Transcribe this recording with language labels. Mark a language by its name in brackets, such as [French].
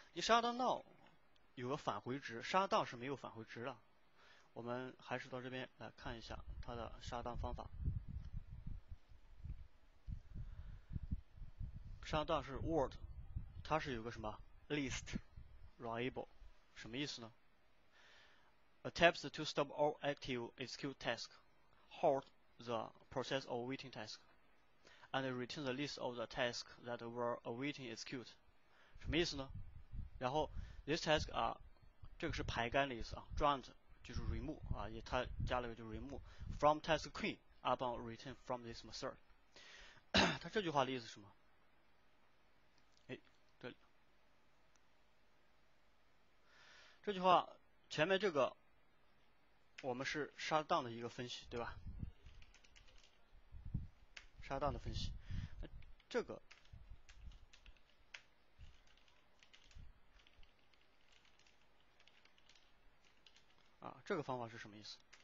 [Chinese] 你 shutdown now 有个返回值， shutdown 是没有返回值的。我们还是到这边来看一下它的 shutdown 方法。 shutdown 是 word， 它是有个什么 list variable， 什么意思呢？ [English] Attempts to stop all active execute task, halt the process of waiting task, and return the list of the tasks that were awaiting execute. [Chinese] 什么意思呢？然后 [English] this task [Chinese] 啊，这个是排干的意思啊 ，joined 就是 remove 啊，也它加了个就 [English] remove from task queue upon return from this method. [Chinese] 它这句话的意思是什么？这句话前面这个。我们是 shutdown 的一个分析，对吧？ shutdown 的分析，这个这个方法是什么意思？